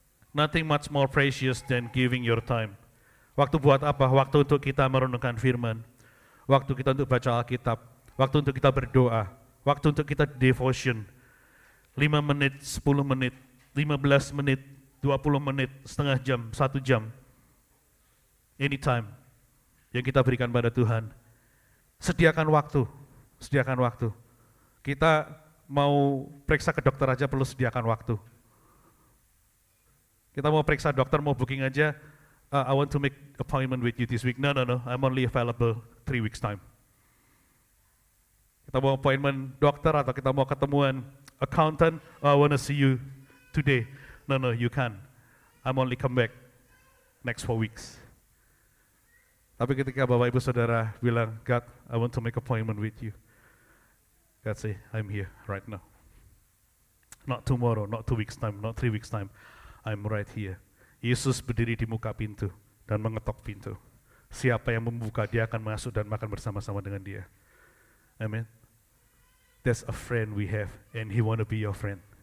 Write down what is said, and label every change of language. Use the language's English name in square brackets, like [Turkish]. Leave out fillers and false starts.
[English] Nothing much more precious than giving your time. [Indonesian] Waktu buat apa? Waktu untuk kita merenungkan firman. Waktu kita untuk baca Alkitab. Waktu untuk kita berdoa. Waktu untuk kita devotion. 5 menit, 10 menit, 15 menit, 20 menit, setengah jam, 1 jam. Anytime yang kita berikan pada Tuhan. Sediakan waktu. Sediakan waktu. Kita mau periksa ke dokter aja perlu sediakan waktu. Kita mau periksa dokter, mau booking aja. [English] I want to make appointment with you this week. No, I'm only available 3 weeks time. [Indonesian] Kita mau appointment dokter atau kita mau ketemuan accountant, [English] I want to see you today. No, you can't. I'm only come back next 4 weeks. [Indonesian] Tapi ketika Bapak Ibu Saudara bilang, [English] God, I want to make appointment with you. God say, I'm here right now. Not tomorrow, not 2 weeks time, not 3 weeks time. I'm right here. [Indonesian] Yesus berdiri di muka pintu dan mengetok pintu. Siapa yang membuka, dia akan masuk dan makan bersama-sama dengan dia. Amen. [English] That's a friend we have and he want to be your friend.